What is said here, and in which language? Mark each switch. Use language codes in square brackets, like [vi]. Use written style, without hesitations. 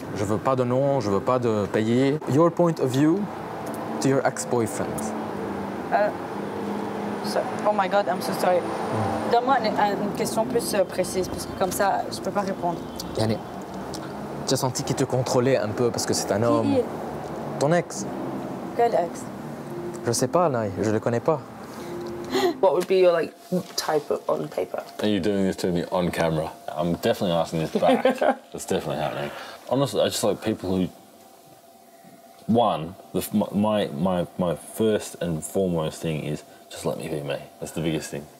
[fr] Je veux pas de nom, je veux pas de payer. [en] Your point of view to your ex-boyfriend. Oh my God, I'm so sorry. [fr] Donne-moi une question plus précise, parce que comme ça, je peux pas répondre. Yannick, tu as senti qu'il te contrôlait un peu parce que c'est un homme. Qui? Ton ex. Quel ex? Je sais pas, Naï, je le connais pas. [en] What would be your like type of on paper? Are you doing this to me on camera? I'm definitely asking this back. It's definitely happening. Honestly, I just like people who. One, my first and foremost thing is just let me be me. That's the biggest thing.